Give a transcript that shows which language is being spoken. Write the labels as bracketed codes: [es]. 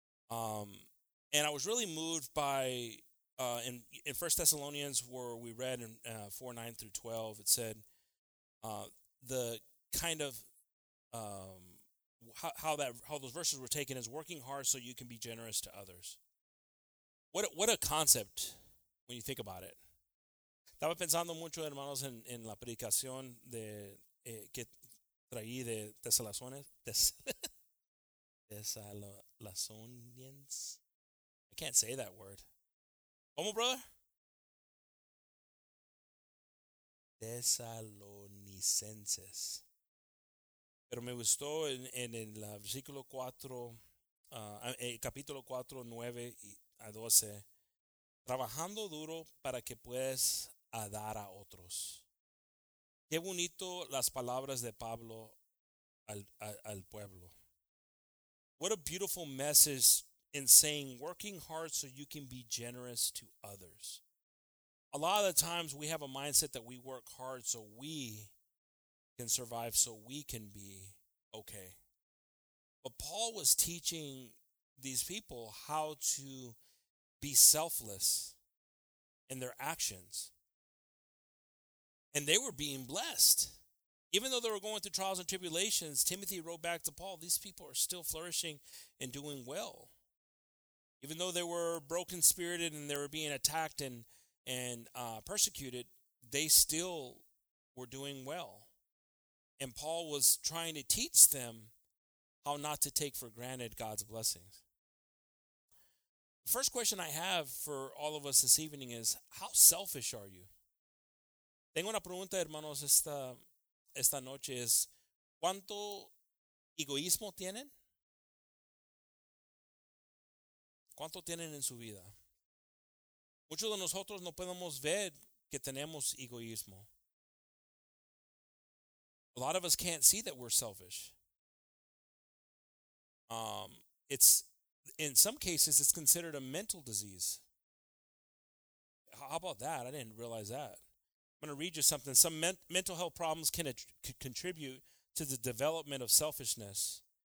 [en] And I was really moved by, in 1 Thessalonians, where we read in 4, 9 through 12, it said the kind of, how those verses were taken is working hard so you can be generous to others. What a concept when you think about it. [es] Estaba pensando mucho, hermanos, en la predicación de que traí de Thessalonians. [en] I can't say that word. [es] ¿Cómo, [en] brother? [es] Thessalonicenses. Pero me gustó en el versículo 4, capítulo 4, 9 a 12. Trabajando duro para que puedas a dar a otros. Qué bonito las palabras de Pablo al pueblo. [en] What a beautiful message in saying working hard so you can be generous to others. A lot of the times we have a mindset that we work hard so we can survive, so we can be okay. But Paul was teaching these people how to be selfless in their actions. And they were being blessed. Even though they were going through trials and tribulations, Timothy wrote back to Paul, these people are still flourishing and doing well. Even though they were broken-spirited and they were being attacked and persecuted, they still were doing well. And Paul was trying to teach them how not to take for granted God's blessings. The first question I have for all of us this evening is, how selfish are you? [es] Tengo una pregunta, hermanos, esta noche es, ¿cuánto egoísmo tienen? ¿Cuánto tienen en su vida? Muchos de nosotros no podemos ver que tenemos egoísmo. [en] A lot of us can't see that we're selfish. It's in some cases, it's considered a mental disease. How about that? I didn't realize that. I'm going to read you something. Some mental health problems can contribute to the development of selfishness.